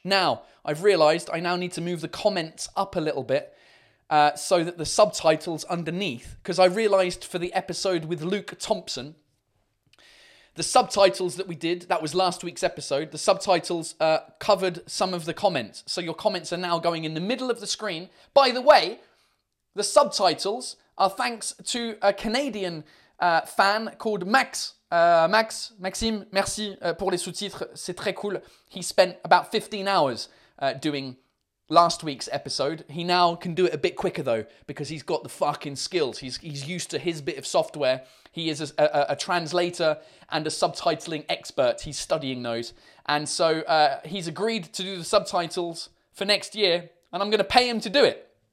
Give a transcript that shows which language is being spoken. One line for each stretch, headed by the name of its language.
English: Now, I've realised I now need to move the comments up a little bit so that the subtitles underneath, because I realised for the episode with Luke Thompson, the subtitles that we did, that was last week's episode, the subtitles covered some of the comments. So your comments are now going in the middle of the screen. By the way, the subtitles are thanks to a Canadian fan called Max.
French: Maxime, merci pour les sous-titres, c'est très cool.
English: He spent about 15 hours doing last week's episode. He now can do it a bit quicker though, because he's got the fucking skills. He's used to his bit of software. He is a translator and a subtitling expert. He's studying those. And so he's agreed to do the subtitles for next year, and I'm going to pay him to do it.